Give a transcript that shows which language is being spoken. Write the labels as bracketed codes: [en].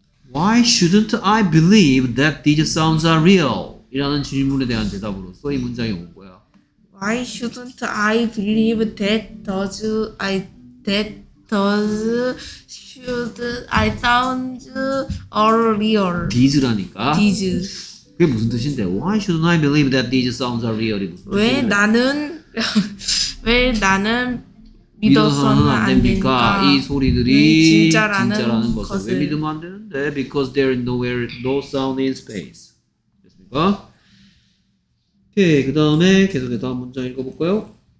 [en] Why shouldn't I believe that these sounds are real? [ko] 이라는 질문에 대한 대답으로서 이 문장이 온 거야. [en] Why shouldn't I believe that those sounds are real? [ko] These라니까? [en] These. [ko] 그게 무슨 뜻인데? [en] Why shouldn't I believe that these sounds are real이 [ko] 무슨 뜻인데? 왜 나는 믿어서는 안 됩니까? 이 소리들이 진짜라는 것을 왜 믿으면 안 되는데? [en] Because there is nowhere, no sound in space. [ko] 됐습니까? 오케이, 그 다음에 계속해서 다음 문장 읽어볼까요?